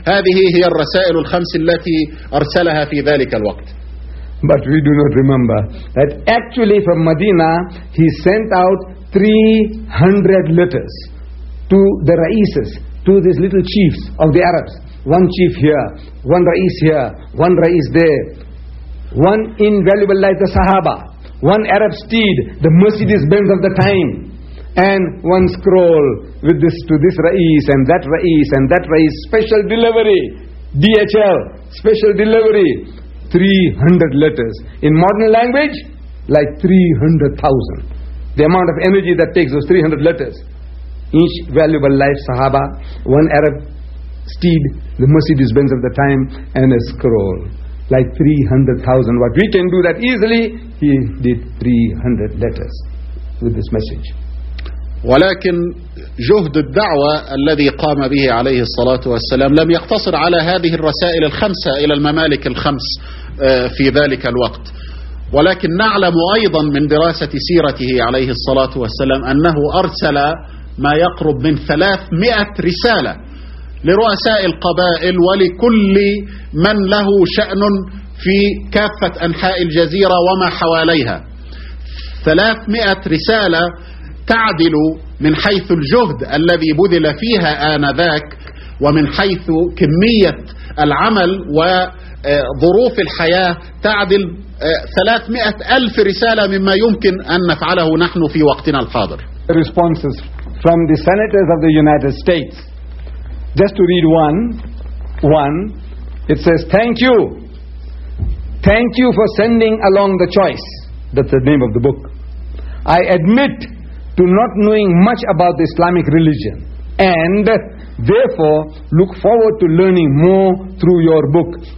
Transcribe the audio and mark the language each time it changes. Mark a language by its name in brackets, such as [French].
[Arabic] هذه هي الرسائل الخمس التي أرسلها في ذلك الوقت. [English] But we do not remember that actually from Medina he sent out 300 letters to the Ra'ises, to these little chiefs of the Arabs. One chief here, one Ra'is there. One invaluable like the Sahaba, one Arab steed, the Mercedes-Benz of the time. And one scroll with this to this Ra'is and that Ra'is and that Ra'is. Special delivery, DHL, special delivery. 300 letters in modern language like 300,000. The amount of energy that takes those 300 letters. Each valuable life, Sahaba, one Arab steed, the Mercedes Benz of the time, and a scroll like 300,000. What we can do that easily, he did 300 letters with this message. [Arabic] ولكن جهد الدعوة الذي قام به عليه الصلاة والسلام لم يقتصر على هذه الرسائل الخمسة إلى الممالك الخمس في ذلك الوقت، ولكن نعلم أيضا من دراسة سيرته عليه الصلاة والسلام أنه أرسل ما يقرب من 300 رسالة لرؤساء القبائل ولكل من له شأن في كافة أنحاء الجزيرة وما حواليها. 300 رسالة تعدل من حيث الجهد الذي بذل فيها آنذاك ومن حيث كمية العمل وظروف الحياة، تعدل 300,000 رسالة مما يمكن أن نفعله نحن في وقتنا الحاضر. [English] Responses from the senators of the United States. Just to read one, it says, thank you for sending along the choice. That's the name of the book. I admit to not knowing much about the Islamic religion and therefore look forward to learning more through your book.